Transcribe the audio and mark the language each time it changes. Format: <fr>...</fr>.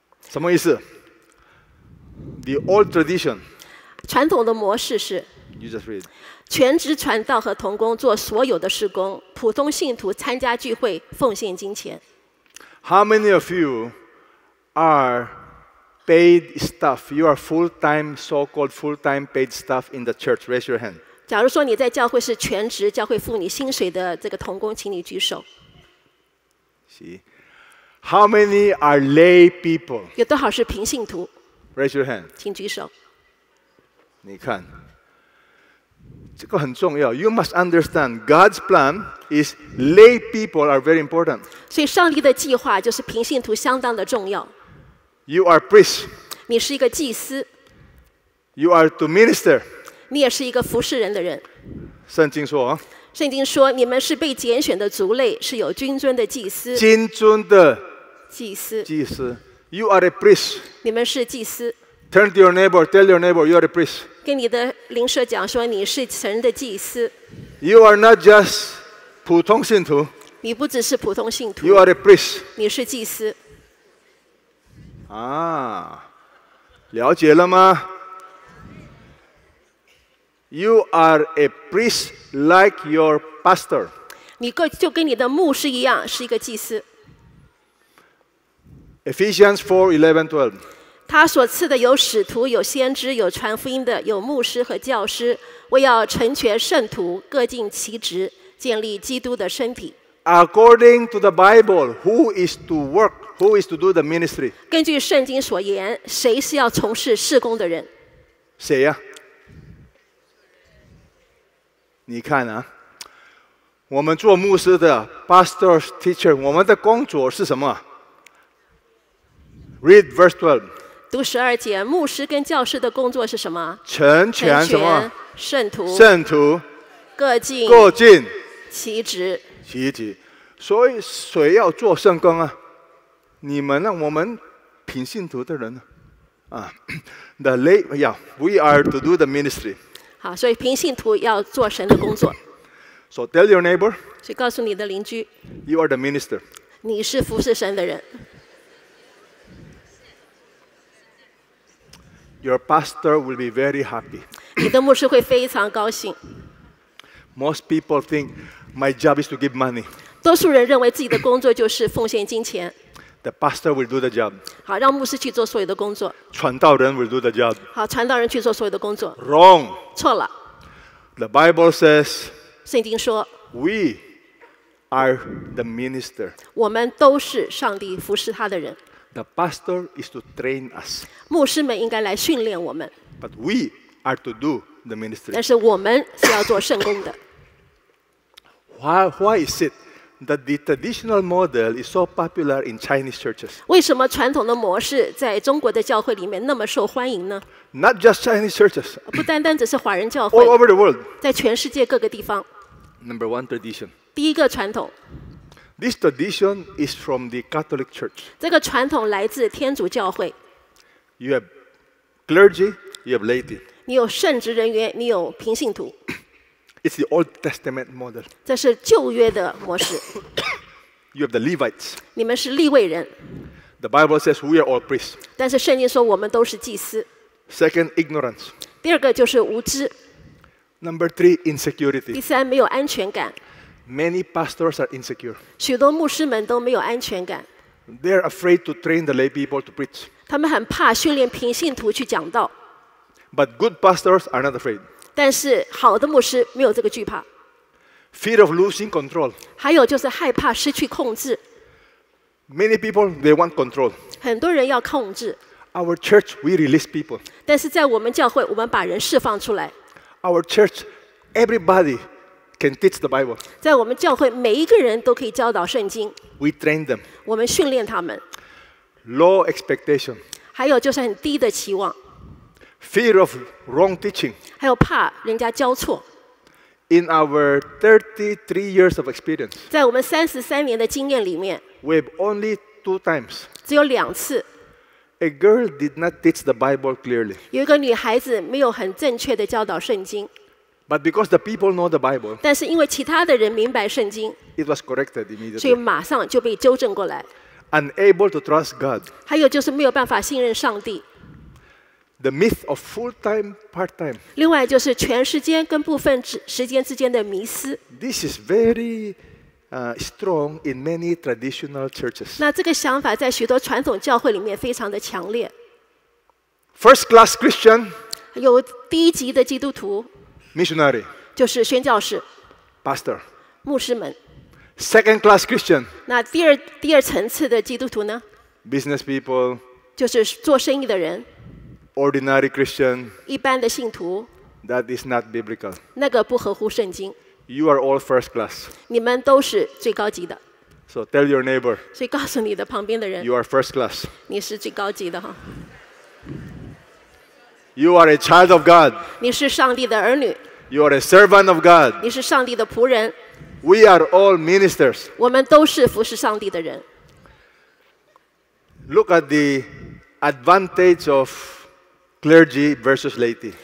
<zh>什么意思 ？</zh> <en>The old tradition.</en> <zh>传统的模式是全职传道和同工做所有的事工，普通信徒参加聚会奉献金钱。</zh> <en>How many of you are paid staff? You are full-time, so-called full-time paid staff in the church. Raise your hand.</en> <zh>假如说你在教会是全职，教会付你薪水的这个同工，请你举手。</zh> <en>See. How many are lay people?</en> <zh>有多少是平信徒？</zh> <en>Raise your hand.</en> <zh>请举手。你看，这个很重要。</zh> <en>You must understand God's plan is lay people are very important.</en> <zh>所以上帝的计划就是平信徒相当的重要。</zh> <en>You are priest.</en> <zh>你是一个祭司。</zh> <en>You are to minister.</en> <zh>你也是一个服侍人的人。圣经说，圣经说你们是被拣选的族类，是有君尊的祭司。君尊的祭司。祭司。</zh> <en>You are a priest.</en> <zh>你们是祭司。</zh> <en>Turn to your neighbor. Tell your neighbor you are a priest.</en> <zh>跟你的邻舍讲说你是神的祭司。</zh> <en>You are not just</en> <zh>普通信徒。你不只是普通信徒。</zh> <en>You are a priest.</en> <zh>你是祭司。啊，了解了吗 ？</zh> <en>You are a priest like your pastor.</en> <zh>你就跟你的牧师一样，是一个祭司。</zh> <en>Ephesians 4:11-12.</en> <zh>他所赐的有使徒，有先知，有传福音的，有牧师和教师，为要成全圣徒，各尽其职，建立基督的身体。</zh> <en>According to the Bible, who is to work? Who is to do the ministry?</en> <zh>根据圣经所言，谁是要从事事工的人？谁呀？你看啊，我们做牧师的</zh> <en>pastors, teacher,</en> <zh>我们的工作是什么 ？</zh> <en>Read verse 12.</en> <zh>读十二节，牧师跟教师的工作是什么？成全什么？圣徒。圣徒。各尽。各尽。其职。其职。所以谁要做圣工啊？你们啊，我们品信徒的人呢、啊？</zh> <en>The lay, yeah, we are to do the ministry.</en> <zh>好，所以平信徒要做神的工作。</zh> <en>So tell your neighbor.</en> <zh>所以告诉你的邻居。</zh> <en>You are the minister.</en> <zh>你是服侍神的人。</zh> <en>Your pastor will be very happy.</en> <zh>你的牧师会非常高兴。</zh> <en>Most people think my job is to give money.</en> <zh>多数人认为自己的工作就是奉献金钱。</zh> <en>The pastor will do the job.</en> <zh>好，让牧师去做所有的工作。</zh> <en>传道人 will do the job.</en> <zh>好，传道人去做所有的工作。</zh> <en>Wrong.</en> <zh>错了。</zh> <en>The Bible says.</en> <zh>圣经说。</zh> <en>We are the minister.</en> <zh>我们都是上帝服侍他的人。</zh> <en>The pastor is to train us.</en> <zh>牧师们应该来训练我们。</zh> <en>But we are to do the ministry.</en> <zh>但是我们是要做圣工的。</zh> <en>Why is it that the traditional model is so popular in Chinese churches?</en> <zh>为什么传统的模式在中国的教会里面那么受欢迎呢？</zh> <en>Not just Chinese churches.</en> <zh>不单单只是华人教会。</zh> <en>All over the world.</en> <zh>在全世界各个地方。</zh> <en>Number one tradition.</en> <zh>第一个传统。</zh> <en>This tradition is from the Catholic Church.</en> <zh>这个传统来自天主教会。</zh> <en>You have clergy, you have laity.</en> <zh>你有圣职人员，你有平信徒。</zh> <en>It's the Old Testament model.</en> <zh>这是旧约的模式。</zh> <en>You have the Levites.</en> <zh>你们是利未人。</zh> <en>The Bible says we are all priests.</en> <zh>但是圣经说我们都是祭司。</zh> <en>Second, ignorance.</en> <zh>第二个就是无知。</zh> <en>Number three, insecurity.</en> <zh>第三，没有安全感。</zh> <en>Many pastors are insecure.</en> <zh>许多牧师们都没有安全感。</zh> <en>They are afraid to train the lay people to preach.</en> <zh>他们很怕训练平信徒去讲道。</zh> <en>But good pastors are not afraid.</en> <zh>但是好的牧师没有这个惧怕。</zh> <en>Fear of losing control.</en> <zh>还有就是害怕失去控制。</zh> <en>Many people they want control.</en> <zh>很多人要控制。</zh> <en>Our church we release people.</en> <zh>但是在我们教会，我们把人释放出来。</zh> <en>Our church everybody. Can teach the Bible.</en> <zh>在我们教会，每一个人都可以教导圣经。</zh> <en>We train them.</en> <zh>我们训练他们。</zh> <en>Low expectation.</en> <zh>还有就是很低的期望。</zh> <en>Fear of wrong teaching.</en> <zh>还有怕人家教错。</zh> <en>In our 33 years of experience.</en> <zh>在我们33年的经验里面。</zh> <en>We've only two times.</en> <zh>只有两次。</zh> <en>A girl did not teach the Bible clearly.</en> <zh>有一个女孩子没有很正确的教导圣经。</zh> <en>But because the people know the Bible,</en> <zh>但是因为其他的人明白圣经，</zh> <en>it was corrected immediately.</en> <zh>所以马上就被纠正过来。</zh> <en>Unable to trust God.</en> <zh>还有就是没有办法信任上帝。</zh> <en>The myth of full-time, part-time.</en> <zh>另外就是全时间跟部分时间之间的迷思。</zh> <en>This is very, strong in many traditional churches.</en> <zh>那这个想法在许多传统教会里面非常的强烈。</zh> <en>First-class Christian.</en> <zh>有低级的基督徒。</zh> <en>Missionary,</en> <zh>就是宣教士</zh> <en>Pastor,</en> <zh>牧师们</zh> <en>Second class Christian,</en> <zh>那第二层次的基督徒呢</zh> <en>Business people,</en> <zh>就是做生意的人</zh> <en>Ordinary Christian,</en> <zh>一般的信徒</zh> <en>That is not biblical,</en> <zh>那个不合乎圣经</zh> <en>You are all first class,</en> <zh>你们都是最高级的</zh> <en>So tell your neighbor,</en> <zh>所以告诉你的旁边的人</zh> <en>You are first class,</en> <zh>你是最高级的哈。</zh> <en>You are a child of God.</en> <zh>你是上帝的儿女。</zh> <en>You are a servant of God.</en> <zh>你是上帝的仆人。</zh> <en>We are all ministers.</en> <zh>我们都是服侍上帝的人。</zh> <en>Look at the advantage of clergy versus laity.</en>